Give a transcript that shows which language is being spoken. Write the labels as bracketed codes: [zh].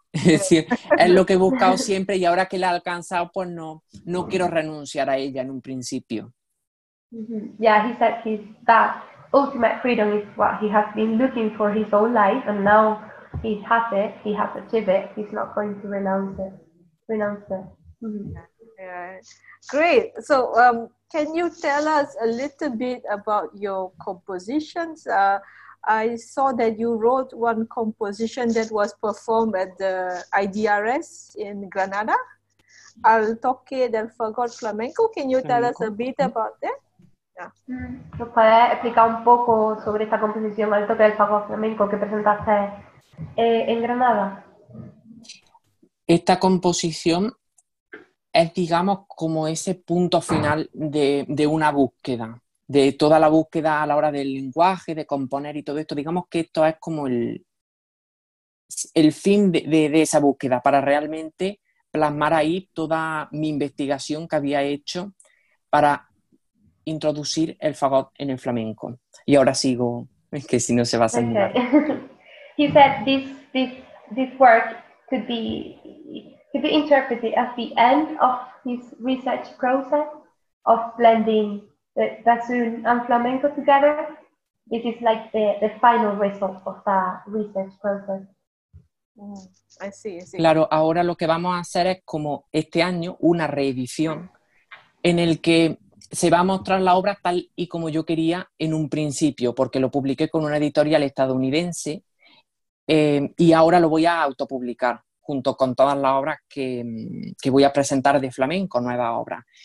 [es] Es decir, es lo que he buscado siempre y ahora que la he alcanzado, pues no quiero renunciar a ella en un principio. Mm-hmm. [en] Yeah, he said that ultimate freedom is what he has been looking for his whole life, and now he has it, he has achieved it, he's not going to renounce it. Mm-hmm. Yeah. Great. So can you tell us a little bit about your compositions? I saw that you wrote one composition that was performed at the IDRS in Granada, Al Toque del Fagot Flamenco. Can you tell us a bit about that? Yeah. [es] ¿Nos puedes explicar un poco sobre esta composición Al Toque del Fagot Flamenco que presentaste en Granada? Esta composición es, digamos, como ese punto final de una búsqueda, de toda la búsqueda a la hora del lenguaje, de componer y todo esto. Digamos que esto es como el fin de esa búsqueda, para realmente plasmar ahí toda mi investigación que había hecho para introducir el fagot en el flamenco. Y ahora sigo, es que si no se va a sentir. [en] Okay. He said this work could be interpreted as the end of his research process of blending the bassoon and flamenco together. This is like the final result of that research process. I see. [es] Claro, ahora lo que vamos a hacer es como este año una reedición en el que se va a mostrar la obra tal y como yo quería en un principio, porque lo publiqué con una editorial estadounidense y ahora lo voy a autopublicar junto con todas las obras que voy a presentar de flamenco, nuevas obras.